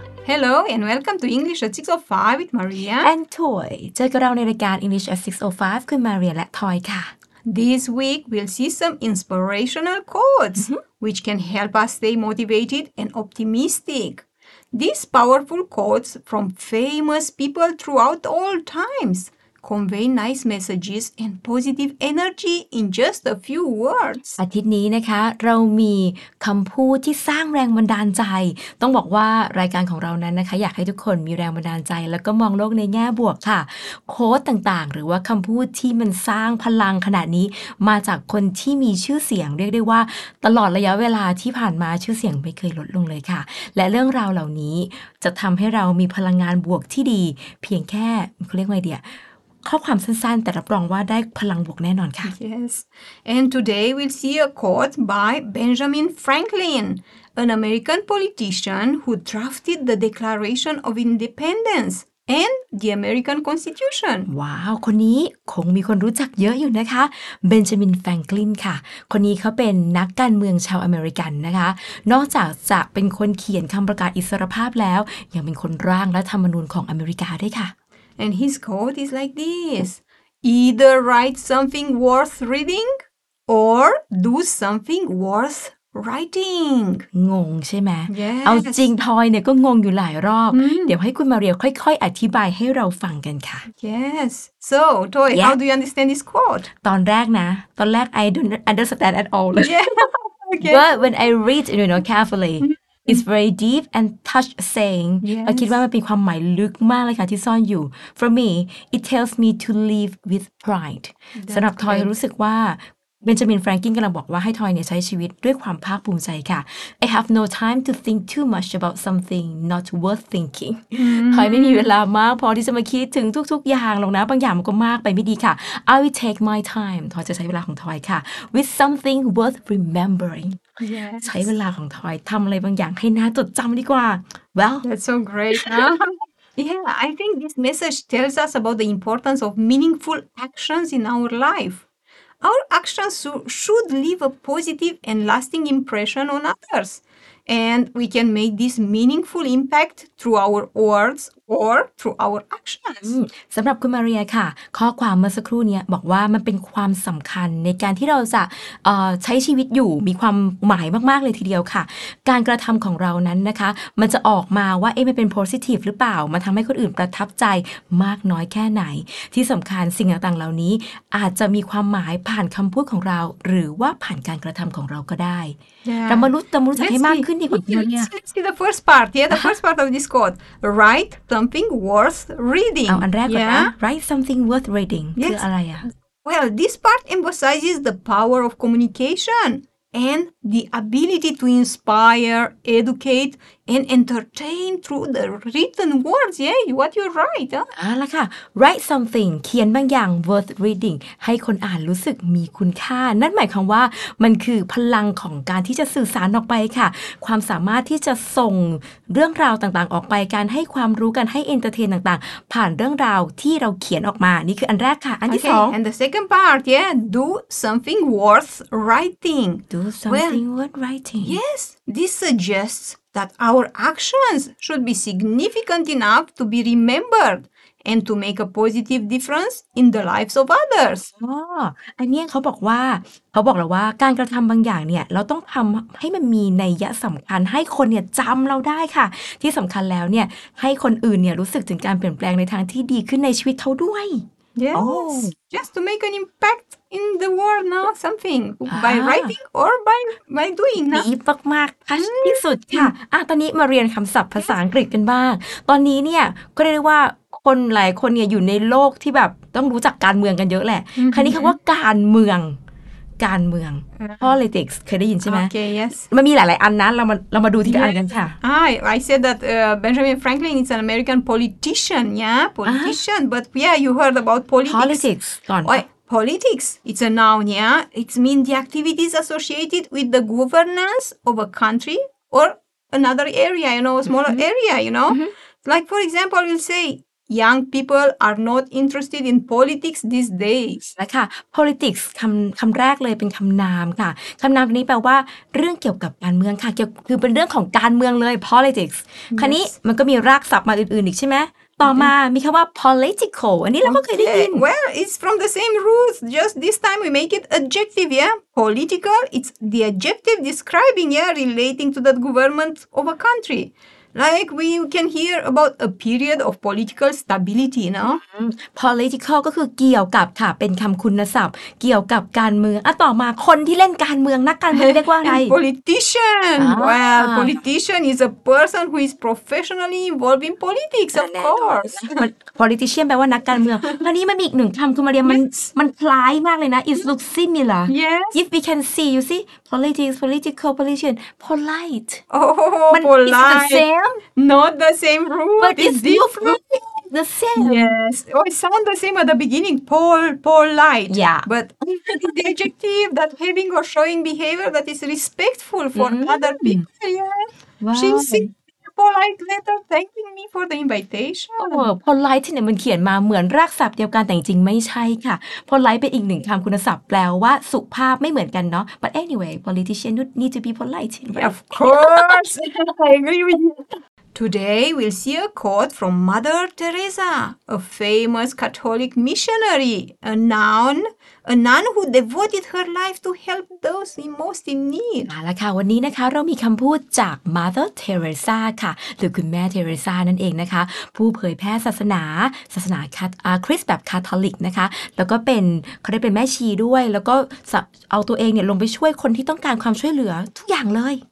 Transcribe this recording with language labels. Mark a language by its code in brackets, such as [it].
[en] Hello and welcome to English at 6:05 with Maria and Toy. [th] เจอกับเราในรายการ English at 6:05 คุณ Maria และ Toy ค่ะ [en] This week we'll see some inspirational quotes which can help us stay motivated and optimistic. These powerful quotes from famous people throughout all times convey nice messages and positive energy in just a few words. [th] อาทิตย์นี้นะคะเรามีคำพูดที่สร้างแรงบันดาลใจต้องบอกว่ารายการของเรานั้นนะคะอยากให้ทุกคนมีแรงบันดาลใจแล้วก็มองโลกในแง่บวกค่ะโค้ดต่างๆหรือว่าคำพูดที่มันสร้างพลังขนาดนี้มาจากคนที่มีชื่อเสียงเรียกได้ว่าตลอดระยะเวลาที่ผ่านมาชื่อเสียงไม่เคยลดลงเลยค่ะและเรื่องราวเหล่านี้จะทำให้เรามีพลังงานบวกที่ดีเพียงแค่เขาเรียกว่าไงดีข้อความสั้นๆแต่รับรองว่าได้พลังบวกแน่นอนค่ะ [en] Yes and today we'll see a quote by Benjamin Franklin an American politician who drafted the Declaration of Independence and the American Constitution [th] ว้าวคนนี้คงมีคนรู้จักเยอะอยู่นะคะ Benjamin Franklin ค่ะคนนี้เขาเป็นนักการเมืองชาวอเมริกันนะคะนอกจากจะเป็นคนเขียนคำประกาศอิสรภาพแล้วยังเป็นคนร่างรัฐธรรมนูญของอเมริกาด้วยค่ะ [en] And his quote is like this. Either write something worth reading or do something worth writing. [th] งงใช่ไหม [en] Yes. [th] เอาจริงทอยเนี่ยก็งงอยู่หลายรอบ เดี๋ยวให้คุณมาเรียค่อยๆอธิบายให้เราฟังกันค่ะ [en] Yes. So, Toy, yeah. how do you understand this quote? [th] ตอนแรกนะตอนแรก [en] I don't understand at all. Yeah. Okay. But when I read, you know, carefully,It's very deep and touch saying. Yes. [th] I คิดว่ามันเป็นความหมายลึกมากเลยค่ะที่ซ่อนอยู่ [en] For me, it tells me to live with pride. That's [th] สำหรับทอย [en] great. [th] รู้สึกว่าเบนจามินแฟรงกินกำลังบอกว่าให้ทอยเนี่ยใช้ชีวิตด้วยความภาคภูมิใจค่ะ [en] I have no time to think too much about something not worth thinking [th] ทอยไม่มีเวลามากพอที่จะมาคิดถึงทุกๆอย่างหรอกนะบางอย่างมันก็มากไปไม่ดีค่ะ [en] I will take my time [th] ทอยจะใช้เวลาของทอยค่ะ [en] with something worth remembering Yes. [th] ใช้เวลาของทอยทำอะไรบางอย่างให้น่าจดจำดีกว่า Well [en] That's so great huh? Yeah, I think this message tells us about the importance of meaningful actions in our life. Our actions should leave a positive and lasting impression on others. And we can make this meaningful impact through our words or through our actions. [th] สำหรับคุณมาเรียค่ะข้อความเมื่อสักครู่นี้บอกว่ามันเป็นความสำคัญในการที่เราจะใช้ชีวิตอยู่มีความหมายมากๆเลยทีเดียวค่ะการกระทำของเรานั้นนะคะมันจะออกมาว่ามันเป็นโพซิทีฟหรือเปล่ามันทำให้คนอื่นประทับใจมากน้อยแค่ไหนที่สำคัญสิ่งต่างๆเหล่านี้อาจจะมีความหมายผ่านคำพูดของเราหรือว่าผ่านการกระทำของเราก็ได้ เรามารู้จักให้มากขึ้นดีกว่าเนี่ย [en] Let's see the first part yeah the first part of this quote write something worth reading [th] เอาอันแรกก่อนนะ [en] write something worth reading [th] คืออะไรอ่ะ [en] Well this part emphasizes the power of communication and the ability to inspire educate and entertain through the written words yeah what you write [th] อ่ะล่ะค่ะ [en] write something [th] เขียนบางอย่าง [en] worth reading [th] ให้คนอ่านรู้สึกมีคุณค่านั่นหมายความว่ามันคือพลังของการที่จะสื่อสารออกไปค่ะความสามารถที่จะส่งเรื่องราวต่างๆออกไปการให้ความรู้การให้เอนเตอร์เทนต่างๆผ่านเรื่องราวที่เราเขียนออกมานี่คืออันแรกค่ะอันที่2 [en] and the second part yeah do something worth writing do something worth writing yes this suggeststhat our actions should be significant enough to be remembered and to make a positive difference in the lives of others. [th] อันนี้เขาบอกเราว่าการกระทำบางอย่างเนี่ยเราต้องทำให้มันมีนัยยะสำคัญให้คนเนี่ยจำเราได้ค่ะที่สำคัญแล้วเนี่ยให้คนอื่นเนี่ยรู้สึกถึงการเปลี่ยนแปลงในทางที่ดีขึ้นในชีวิตเขาด้วย [en] Yes, just to make an impactIn the world now, something by writing or by doing. [th] ดีมากๆที่สุดค่ะตอนนี้มาเรียนคำศัพท์ภาษาอังกฤษกันบ้างตอนนี้เนี่ยก็เรียกว่าคนหลายคนเนี่ยอยู่ในโลกที่แบบต้องรู้จักการเมืองกันเยอะแหละคราวนี้คำว่าการเมืองการเมือง politics เคยได้ยินใช่ไหม [en] okay, yes. [th] มันมีหลายอันนะเรามาดูที่อันกันค่ะ [en] I said that Benjamin Franklin is an American politician yeah politician but yeah you heard about politics [th] ก่อน [en] Politics, it's a noun, yeah? It means the activities associated with the governance of a country or another area, you know, a smaller area, you know? Mm-hmm. Like, for example, you'll say, young people are not interested in politics these days [th] นะคะ politics คำแรกเลยเป็นคำนามค่ะคำนามนี้แปลว่าเรื่องเกี่ยวกับการเมืองค่ะเกี่ยวคือเป็นเรื่องของการเมืองเลย politics คราวนี้มันก็มีรากศัพท์มาอื่นๆอีกใช่ไหมต่อมามีคำว่า political อันนี้เราก็เคยได้ยิน [en] well it's from the same roots just this time we make it adjective yeah political it's the adjective describing yeah relating to the government of a country like we can hear about a period of political stability no [th] political ก็คือเกี่ยวกับค่ะเป็นคำคุณศัพท์เกี่ยวกับการเมืองอ่ะต่อมาคนที่เล่นการเมืองนักการเมืองเรียกว่าอะไร [en] politician well politician is a person who is professionally involved in politics of course [th] politician แปลว่านักการเมืองคราวนี้มันมีอีกหนึ่งคำคุณมาเรียมันคล้ายมากเลยนะ [en] it looks similar yes if we can see you see politics political politician polite oh polite not the same root but it's different the same yes oh, it sounds the same at the beginning polite yeah but the adjective that having or showing behavior that is respectful for other people yeah wow. she's sick polite letter thanking me for the invitation. [th] Oh, polite เนี่ยมันเขียนมาเหมือนรากศัพท์เดียวกันแต่จริงๆไม่ใช่ค่ะ polite เป็นอีกหนึ่งคำคุณศัพท์แปลว่าสุภาพไม่เหมือนกันเนาะ [en] but anyway politician need to be polite. Yeah, of course. I agree with you. Today we'll see a quote from Mother Teresa, a famous Catholic missionary, a nun who devoted her life to help those in most in need. [th] เอาละค่ะวันนี้นะคะเรามีคำพูดจาก Mother Teresa ค่ะหรือคุณแม่ Teresa นั่นเองนะคะผู้เผยแพร่ศาสนาคริสต์แบบคาทอลิกนะคะแล้วก็เขาได้เป็นแม่ชีด้วยแล้วก็เอาตัวเองเนี่ยลงไปช่วยคนที่ต้องการความช่วยเหลือทุกอย่างเลย